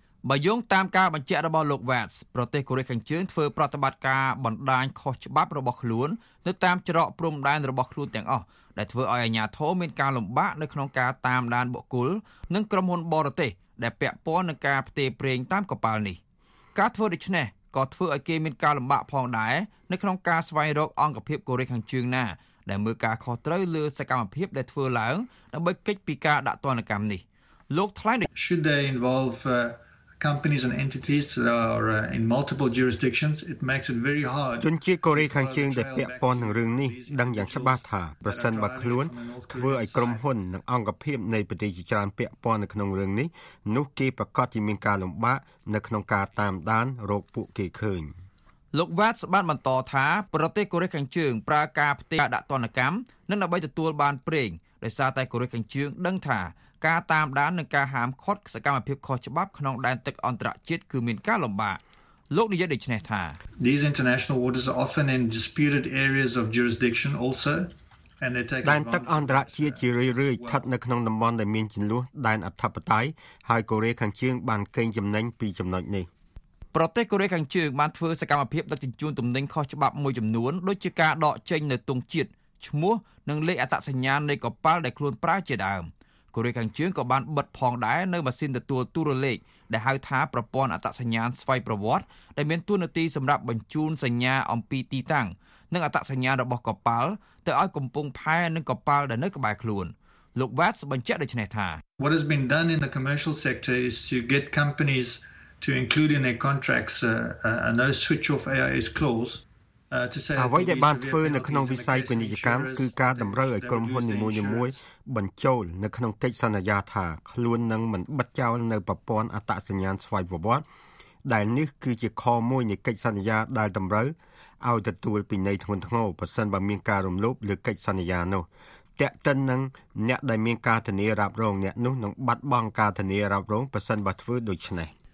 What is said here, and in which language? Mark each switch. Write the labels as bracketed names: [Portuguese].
[Khmer] បើយោងតាមការបញ្ជាក់របស់លោក Watts ប្រទេសកូរ៉េខាងជើងធ្វើប្រតិបត្តិការបណ្ដាញខុសច្បាប់របស់ខ្លួននៅតាមច្រកព្រំដែនរបស់ខ្លួនទាំងអស់ដែលធ្វើឲ្យអាជ្ញាធរមានការលំបាកនៅក្នុងការតាមដានបុគ្គលនិងក្រុមហ៊ុនបរទេសដែលពាក់ព័ន្ធនឹងការផ្ទេរប្រេងតាមកប៉ាល់នេះការធ្វើដូច្នេះ ក៏ធ្វើឲ្យគេមានការលំបាកផងដែរនៅក្នុងការស្វែងរកអង្គភាពកូរ៉េខាងជើងណាដែលមើលការខុសត្រូវលើសកម្មភាពដែលធ្វើឡើងដើម្បីគេចពីការដាក់ទណ្ឌកម្មនេះលោកថ្លែង [English] Should they involve companies and entities that are in multiple jurisdictions it makes it very hard [Khmer] ជនជាតិកូរ៉េខាងជើងដែលពាក់ព័ន្ធនឹងរឿងនេះដឹងយ៉ាងច្បាស់ថាប្រសិនបើខ្លួនធ្វើឲ្យក្រុមហ៊ុននិងអង្គភាពនៃប្រទេសជាច្រើនពាក់ព័ន្ធនៅក្នុងរឿងនេះនោះគេប្រកាសជាមានការលំបាកនៅក្នុងការតាមដានរោគពួកគេឃើញ លោកវ៉ាតបានបន្តថាប្រទេសកូរ៉េខាងជើងប្រើការផ្ទេរដាក់ទណ្ឌកម្មនិងដើម្បីទទួលបានប្រេងដោយសារតែកូរ៉េខាងជើងដឹងថាការតាមដាននិងការហាមឃាត់សកម្មភាពខុសច្បាប់ក្នុងដែនទឹកអន្តរជាតិគឺមានការលំបាកលោកនិយាយដូចនេះថា [English] These international waters are often in disputed areas of jurisdiction also and they take [Khmer] ដែនទឹកអន្តរជាតិជារឿយៗស្ថិតនៅក្នុងតំបន់ដែលមានចំនួនដែនអធិបតេយ្យហើយកូរ៉េខាងជើងបានកេងចំណេញពីចំណុចនេះ ប្រទេសកូរ៉េខាងជើងបានធ្វើសកម្មភាពដឹកជញ្ជូនទំនិញខុសច្បាប់មួយចំនួនដូចជាការដកចេញនៅទង់ជាតិឈ្មោះនិងលេខអត្តសញ្ញាណនៃកប៉ាល់ដែលខ្លួនប្រើជាដើមកូរ៉េខាងជើងក៏បានបិទផងដែរនៅម៉ាស៊ីនទទួលទូរលេខដែលហៅថាប្រព័ន្ធអត្តសញ្ញាណស្វ័យប្រវត្តិដែលមានទួនាទីសម្រាប់បញ្ជូនសញ្ញាអំពីទីតាំងនិងអត្តសញ្ញាណរបស់កប៉ាល់ទៅឲ្យកំពង់ផែនិងកប៉ាល់ដែលនៅក្បែរខ្លួនលោក Watts បញ្ជាក់ដូចនេះថា [English] What has been done in the commercial sector is to get companies to include in their contracts a no switch off AIS clause [Khmer] អ្វីដែលបានធ្វើនៅក្នុងវិស័យពាណិជ្ជកម្មគឺការតម្រូវឲ្យក្រុមហ៊ុននីមួយៗបញ្ចូលនៅក្នុងកិច្ចសន្យាថាខ្លួននឹងមិនបិទចោលនៅប្រព័ន្ធអត្តសញ្ញាណស្វ័យប្រវត្តិដែលនេះគឺជាខមួយនៃកិច្ចសន្យាដែលតម្រូវឲ្យទទួលពីន័យធ្ងន់ធ្ងរប្រសិនបើមានការរំលោភលើកិច្ចសន្យានោះតែកតិននឹងអ្នកដែលមានការធានារ៉ាប់រងអ្នកនោះនឹងបាត់បង់ការធានារ៉ាប់រងប្រសិនបើធ្វើដូច្នេះ